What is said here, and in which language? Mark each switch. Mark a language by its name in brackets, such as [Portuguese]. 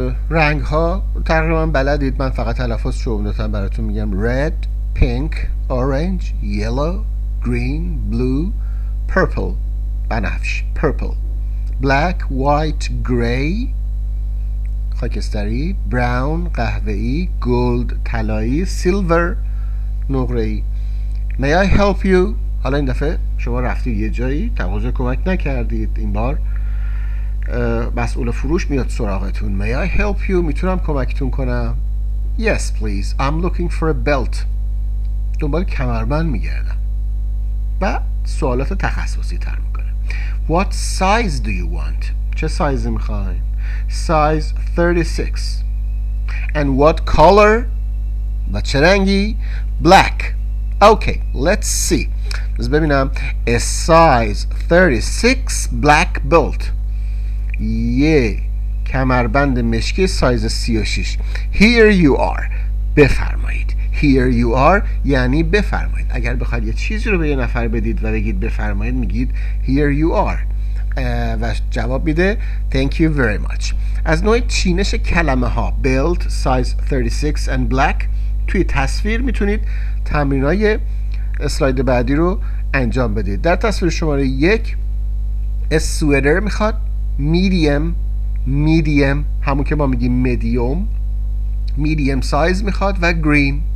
[Persian] رنگ ها تقریبا بلدید، من فقط تلفظ شما براتون میگم: [English] red, pink, orange, yellow, green, blue, purple، [Persian] بنفش، purple، [English] black, white, grey، [Persian] خاکستری، brown، قهوه‌ای، gold، طلایی، silver، نقره‌ای. [English] May I help you؟ [Persian] حالا این دفعه شما رفتید یه جایی، تقاضا کمک نکردید، این بار مسئول فروش میاد سراغتون. [English] May I help you؟ [Persian] میتونم کمکتون کنم؟ [English] Yes, please. I'm looking for a belt. [Persian] دنبال کمربند میگردم. بعد سوالات تخصصی تر میکنه. [English] What size do you want؟ [Persian] چه سایزی میخواین؟ [English] Size 36. And what color؟ [Persian] و چه رنگی؟ [English] Black. Okay, let's see. [Persian] بذار ببینم. [English] A size 36 black belt. [Persian] یه کمربند مشکی سایز 36. [English] Here you are. [Persian] بفرمایید. [English] Here you are [Persian] یعنی بفرمایید. اگر بخواید یه چیزی رو به یه نفر بدید و بگید بفرمایید، میگید [English] Here you are. [Persian] و جواب میده [English] Thank you very much. [Persian] از نوع چینش کلمه ها [English] belt size 36 and black [Persian] توی تصویر میتونید تمرینای اسلاید بعدی رو انجام بدید. در تصویر شماره 1 sweater میخواد medium همون که ما میگیم medium، [English] medium size [Persian] میخواد و green.